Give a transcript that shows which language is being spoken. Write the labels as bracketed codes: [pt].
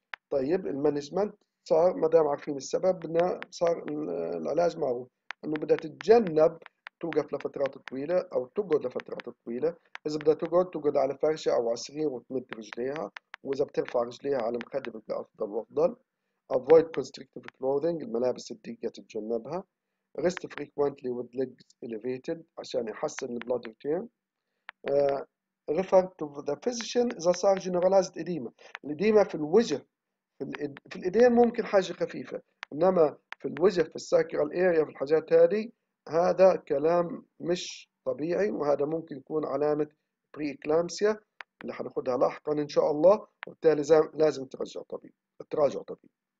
[ar] طيب المانجمنت صار ما دام عارفين السبب صار العلاج معروف، انه بدها تتجنب توقف لفترات طويله او تقعد لفترات طويله. اذا بدها تقعد، تقعد على فرشه او على سرير وتمد رجليها، واذا بترفع رجليها على مخده بتبقى افضل وافضل. [en] avoid constrictive clothing [ar] الملابس الضيقه تتجنبها. [en] Rest frequently with legs elevated [ar] عشان يحسن [en] the blood return. Refer to the physician [ar] إذا صار [en] generalized edema. [ar] الإديمة في الوجه، في الإيدين ممكن حاجة خفيفة، إنما في الوجه في السكرال أريا في الحاجات هذه هذا كلام مش طبيعي، وهذا ممكن يكون علامة preeclampsia اللي حنأخذها لاحقا إن شاء الله، وبالتالي لازم تراجع طبيب.